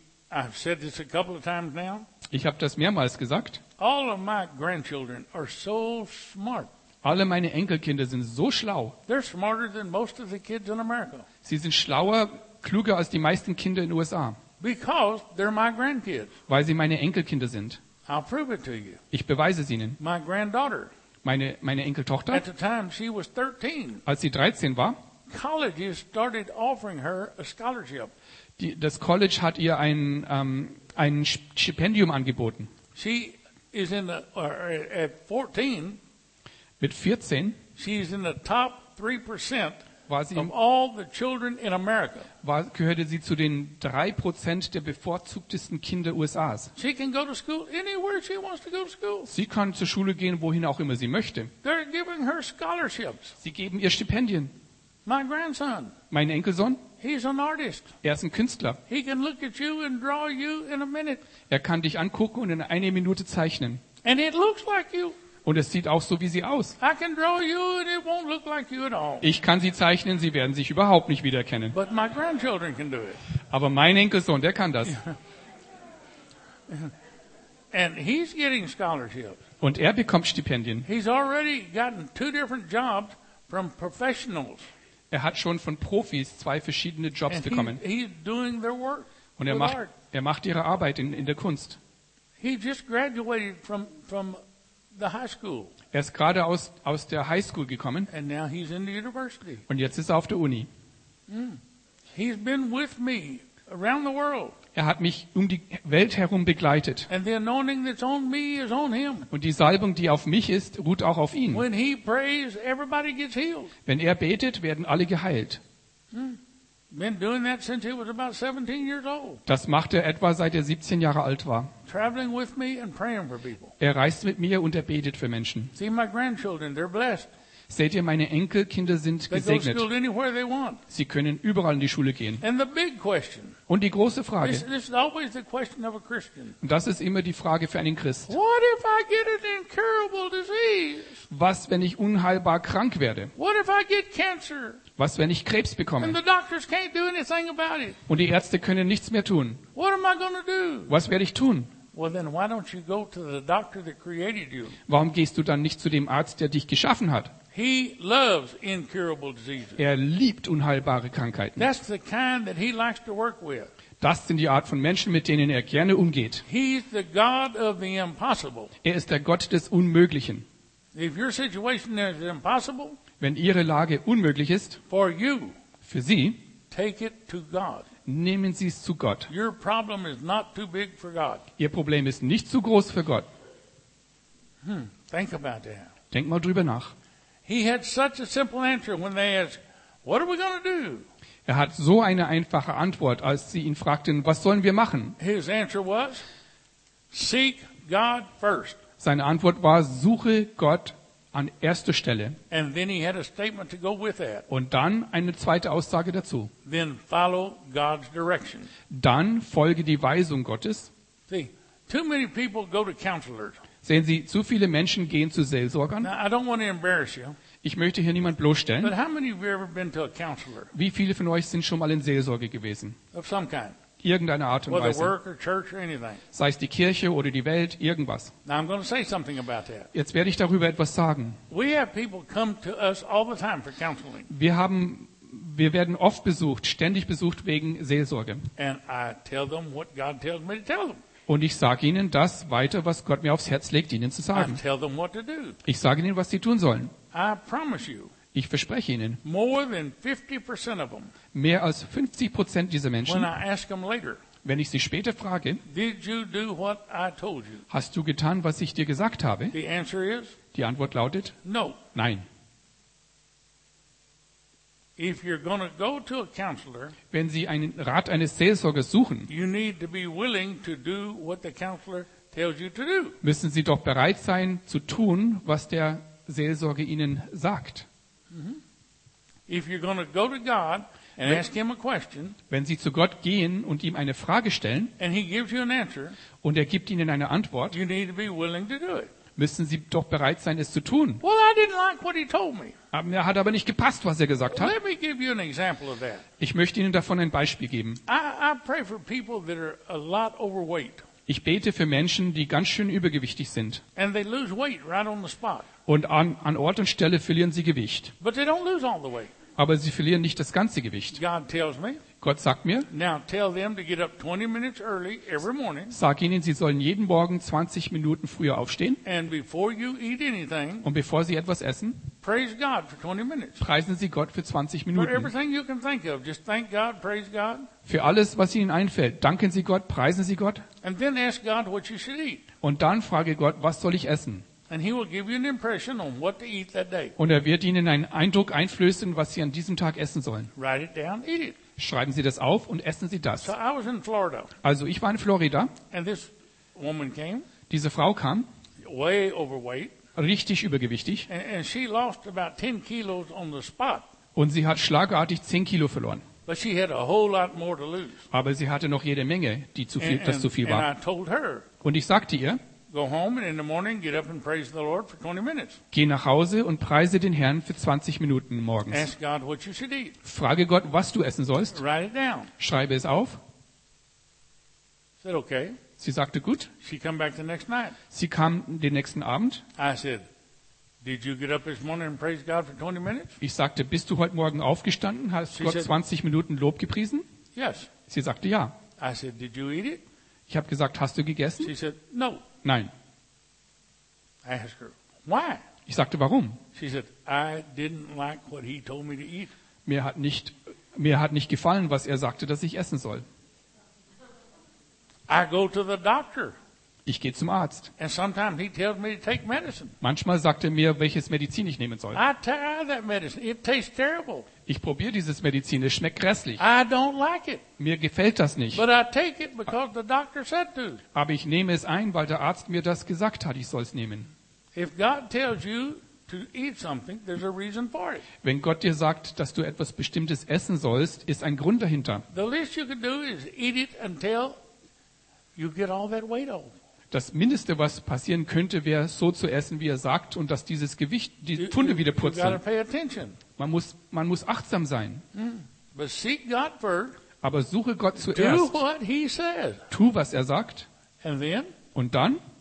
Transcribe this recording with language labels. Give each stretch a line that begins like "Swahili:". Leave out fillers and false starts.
English: I've said this a couple of times now.
German: Ich habe das mehrmals gesagt.
English: All of my grandchildren are so smart.
German: Alle meine Enkelkinder sind so schlau.
English: They're smarter than most of the kids in America.
German: Sie sind schlauer, kluger als die meisten Kinder in den USA.
English: Because they're my grandkids.
German: Weil sie meine Enkelkinder sind.
English: I'll prove it to you.
German: Ich beweise es ihnen.
English: My granddaughter.
German: Meine Enkeltochter.
English: At the time she was 13.
German: Als sie 13 war.
English: Colleges started offering her a scholarship.
German: Das College hat ihr ein Stipendium angeboten.
English: She is in at 14.
German: Mit 14.
English: She is in the top 3% of all the children in America.
German: Gehörte sie zu den 3% der bevorzugtesten Kinder USAs.
English: She can go to school anywhere she wants to go to school.
German: Sie kann zur Schule gehen, wohin auch immer sie möchte.
English: They're giving her scholarships.
German: Sie geben ihr Stipendien.
English: My grandson.
German: Mein Enkelsohn.
English: He's an artist.
German: Er ist ein Künstler.
English: He can look at you and draw you in a minute.
German: Er kann dich angucken und in einer Minute zeichnen.
English: And it looks like you.
German: Und es sieht auch so wie sie aus.
English: I can draw you and it won't look like you at all.
German: Ich kann sie zeichnen, sie werden sich überhaupt nicht wiedererkennen.
English: But my grandchildren can do it.
German: Aber mein Enkelsohn, der kann das.
English: And he's getting scholarships.
German: Und er bekommt Stipendien.
English: He's already gotten two different jobs from professionals.
German: Er hat schon von Profis zwei verschiedene Jobs bekommen.
English: He's doing their work.
German: Und er macht ihre Arbeit in der Kunst.
English: He just graduated from the high school.
German: Er ist gerade aus der High School gekommen.
English: And now he's in the university.
German: Und jetzt ist er auf der Uni.
English: He's been with me around the world.
German: Er hat mich um die Welt herum begleitet.
English: And the anointing that's on me is on him.
German: Und die Salbung, die auf mich ist, ruht auch auf ihn.
English: When he prays, everybody gets healed.
German: Wenn er betet, werden alle geheilt.
English: Been doing that since he was about 17 years old.
German: Das macht er etwa seit er 17 Jahre alt war.
English: Traveling with me and praying for people.
German: Er reist mit mir und er betet für Menschen.
English: See my grandchildren, they're blessed.
German: Seht ihr, meine Enkelkinder sind gesegnet.
English: They go to school anywhere they want.
German: Sie können überall in die Schule gehen.
English: And the big question,
German: und die große Frage,
English: this is always the question of a Christian.
German: Und das ist immer die Frage für einen Christ.
English: What if I get an incurable disease?
German: Was, wenn ich unheilbar krank werde?
English: What if I get cancer?
German: Was, wenn ich Krebs bekomme?
English: And the doctors can't do anything about it.
German: Und die Ärzte können nichts mehr tun.
English: What am I gonna do?
German: Was werde ich tun?
English: Well, then why don't you go to the doctor that created you?
German: Warum gehst du dann nicht zu dem Arzt, der dich geschaffen hat?
English: He loves incurable diseases.
German: Er liebt unheilbare Krankheiten.
English: That's the kind that he likes to work with.
German: Das sind die Art von Menschen, mit denen er gerne umgeht.
English: He's the God of the impossible.
German: Er ist der Gott des Unmöglichen.
English: If your situation is impossible,
German: wenn Ihre Lage unmöglich ist,
English: for you,
German: für Sie,
English: take it to God.
German: Nehmen Sie es zu Gott.
English: Your problem is not too big for God.
German: Ihr Problem ist nicht zu groß für Gott.
English: Think about that.
German: Denk mal drüber nach.
English: He had such a simple answer when they asked, "What are we going to do?"
German: Er hat so eine einfache Antwort, als sie ihn fragten, was sollen wir machen?
English: His answer was, "Seek God first."
German: Seine Antwort war, suche Gott an erster Stelle.
English: And then he had a statement to go with that.
German: Und dann eine zweite Aussage dazu.
English: Then follow God's direction.
German: Dann folge die Weisung Gottes.
English: See, too many people go to counselors.
German: Sehen Sie, zu viele Menschen gehen zu Seelsorgern.
English: Now, I don't want to embarrass you.
German: Ich möchte hier niemand bloßstellen.
English: But how many have you ever been to a counselor?
German: Wie viele von euch sind schon mal in Seelsorge gewesen?
English: Of some kind.
German: Irgendeine Art und Weise.
English: Work or church or anything.
German: Sei es die Kirche oder die Welt, irgendwas.
English: Now I'm going to say something about that.
German: Jetzt werde ich darüber etwas sagen.
English: We have people come to us all the time for counseling.
German: Wir werden oft besucht, ständig besucht wegen Seelsorge.
English: And I tell them what God tells me to tell them.
German: Und ich sage ihnen das weiter, was Gott mir aufs Herz legt, ihnen zu sagen.
English: I tell them what to do.
German: Ich sage ihnen, was sie tun sollen.
English: I promise you.
German: Ich verspreche Ihnen,
English: more than 50% of them,
German: mehr als 50% dieser Menschen,
English: when I ask them later,
German: wenn ich sie später frage,
English: did you do what I told you?
German: Hast du getan, was ich dir gesagt habe?
English: The answer is,
German: die Antwort lautet,
English: no.
German: Nein.
English: If you're gonna go to a counselor,
German: wenn Sie einen Rat eines Seelsorgers suchen,
English: you need to be willing to do what the counselor tells you to do.
German: Müssen Sie doch bereit sein, zu tun, was der Seelsorger Ihnen sagt.
English: If you're going to go to God and ask him a question,
German: wenn Sie zu Gott gehen und ihm eine Frage stellen,
English: and he gives you an answer,
German: und er gibt Ihnen eine Antwort,
English: you need to be willing to do it.
German: Müssen Sie doch bereit sein, es zu tun.
English: Well, I didn't like what he told me.
German: Er hat aber nicht gepasst, was er gesagt hat.
English: Let me give you an example of that.
German: Ich möchte Ihnen davon ein Beispiel geben.
English: I pray for people that are a lot overweight.
German: Ich bete für Menschen, die ganz schön übergewichtig sind.
English: And they lose weight right on the spot.
German: Und an Ort und Stelle verlieren sie Gewicht.
English: But they don't lose all the weight.
German: Aber sie verlieren nicht das ganze Gewicht.
English: God tells me,
German: Gott sagt mir,
English: now tell them to get up 20 minutes early every morning,
German: sag ihnen, sie sollen jeden Morgen 20 Minuten früher aufstehen.
English: And before you eat anything,
German: und bevor sie etwas essen,
English: praise God for 20 minutes.
German: Preisen sie Gott für 20 Minuten.
English: For everything you can think of, just thank God, praise God.
German: Für alles, was ihnen einfällt, danken sie Gott, preisen sie Gott.
English: And then ask God what you should eat.
German: Und dann frage Gott, was soll ich essen?
English: And he will give you an impression on what to eat that day.
German: Und er wird Ihnen einen Eindruck einflößen, was Sie an diesem Tag essen sollen.
English: Write it down, eat it.
German: Schreiben Sie das auf und essen Sie das.
English: So I was in Florida.
German: Also ich war in Florida.
English: And this woman came.
German: Diese Frau kam.
English: Way overweight.
German: Richtig übergewichtig.
English: And she lost about 10 kilos on the spot.
German: Und sie hat schlagartig 10 Kilo verloren.
English: But she had a whole lot more to lose.
German: Aber sie hatte noch jede Menge, die zu viel, das zu viel war.
English: And I told her.
German: Und ich sagte ihr,
English: go home and in the morning get up and praise the Lord for 20 minutes.
German: Geh nach Hause und preise den Herrn für 20 Minuten morgens.
English: Ask God what you should eat.
German: Frage Gott, was du essen sollst.
English: Write it down.
German: Schreibe es auf.
English: said, okay.
German: Sie sagte, gut.
English: She came back the next night.
German: Sie kam den nächsten Abend.
English: I said, did you get up this morning and praise God for 20 minutes?
German: Ich sagte, bist du heute Morgen aufgestanden? Hast du Gott 20 Minuten Lob gepriesen?
English: Yes.
German: Sie sagte, ja.
English: I said, did you eat it?
German: Ich habe gesagt, hast du gegessen?
English: She said, no.
German: Nein.
English: I asked her, why?
German: Ich sagte, warum?
English: She said, I didn't like what he told me to eat.
German: Mir hat nicht gefallen, was er sagte, dass ich essen soll.
English: I go to the doctor.
German: Ich gehe zum Arzt.
English: And sometimes he tells me to take medicine.
German: Manchmal sagt er mir, welches Medizin ich nehmen soll.
English: I try that medicine. It tastes terrible.
German: Ich probiere dieses Medizin, es schmeckt grässlich.
English: I don't like it.
German: Mir gefällt das nicht.
English: But I take it because the doctor said to.
German: Aber ich nehme es ein, weil der Arzt mir das gesagt hat, ich soll es nehmen.
English: If God tells you to eat something, there's a reason for it.
German: Wenn Gott dir sagt, dass du etwas Bestimmtes essen sollst, ist ein Grund dahinter.
English: The least you can do is eat it until you get all that weight off.
German: Das Mindeste, was passieren könnte, wäre so zu essen, wie er sagt, und dass dieses Gewicht die Pfunde wieder purzeln.
English: You gotta pay attention.
German: Man muss achtsam sein.
English: Mm. But seek God first.
German: Aber suche Gott zuerst.
English: Do what he says.
German: Tu, was er sagt.
English: And then,
German: und dann?